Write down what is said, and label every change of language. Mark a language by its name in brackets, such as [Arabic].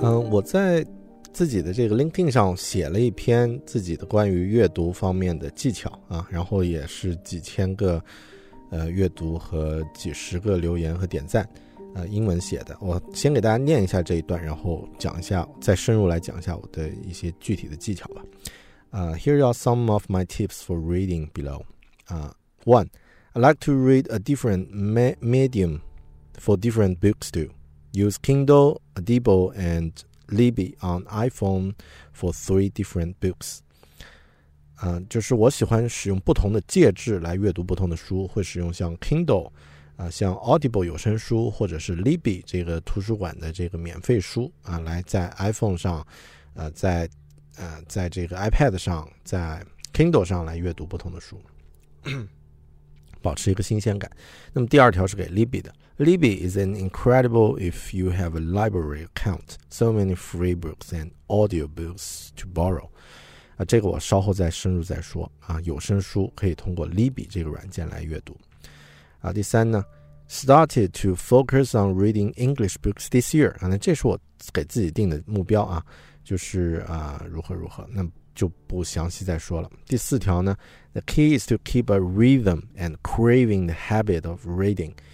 [Chinese] 我在自己的这个 LinkedIn 上写了一篇自己的关于阅读方面的技巧然后也是几千个阅读和几十个留言和点赞英文写的，我先给大家念一下这一段，然后讲一下再深入来讲一下我的一些具体的技巧吧。 [English] Here are some of my tips for reading below. One, I like to read a different medium for different books too. Use Kindle, Audible andLibby on iPhone for 3 different books. [Chinese] 就是我喜欢使用不同的介质来阅读不同的书，会使用像 Kindle, 像 Audible 有声书，或者是 Libby 这个图书馆的这个免费书来在 iPhone 上在这个 iPad 上在 Kindle 上来阅读不同的书。保持一个新鲜感。那么第二条是给 Libby 的。 [English] Libby is an incredible if you have a library account. So many free books and audiobooks to borrow. [Chinese] 这个我稍后再深入再说有声书可以通过 Libby 这个软件来阅读第三呢 [English] started to focus on reading English books this year. [Chinese] 这是我给自己定的目标就是如何如何。那就不详细再说了。第四条呢 [English] ,The key is to keep a rhythm and craving the habit of reading.